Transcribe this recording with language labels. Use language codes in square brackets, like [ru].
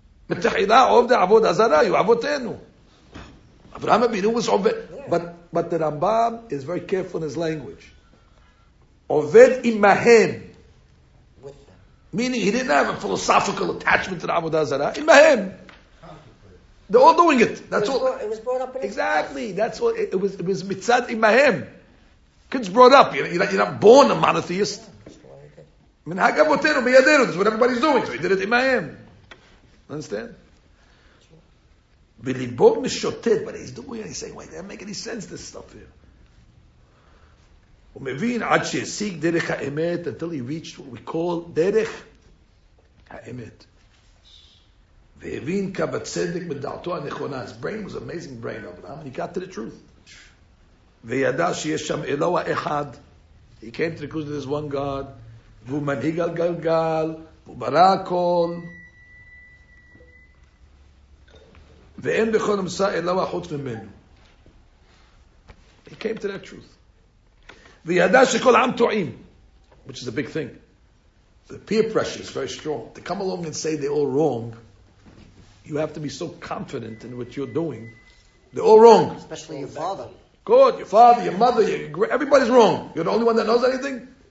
[he] מתחילה עובדי עבודה זרה היו אבותינו. אברהם אבינו was עובד. [en] But the Rambam is very careful in his language. Oved imahem. Meaning he didn't have a philosophical attachment to the Avodah Zarah. Imahem. They're all doing it. That's all. It was brought up in exactly. That's what it was. It was mitzad imahem. Kids brought up. You're not born a monotheist. That's what everybody's doing. So he did it imahem. Understand? Bilibog mishotet. But he's doing it. He's saying, wait, that doesn't make any sense, this stuff here. [he] הוא מבין עד שישיג דרך האמת [en] until he reached what we call [he] דרך האמת. והבין קו הצדק בדעתו הנכונה. [en] His brain was amazing brain of him. He got to the truth. [he] וידע שיש שם אלוה אחד. [en] He came to the conclusion there's one God. [he] והוא מנהיג על גלגל. והוא ברא הכל. ואין בכל המסע אלוה חוץ ממנו. [en] He came to that truth. [he] וידע שכל העם טועים, [en] which is a big thing. The peer pressure is very strong. To come along and say they're all wrong, you have to be so confident in what you're doing. They're all wrong. Especially your father. Good, your father, your mother, everybody's wrong. You're the only one that knows anything?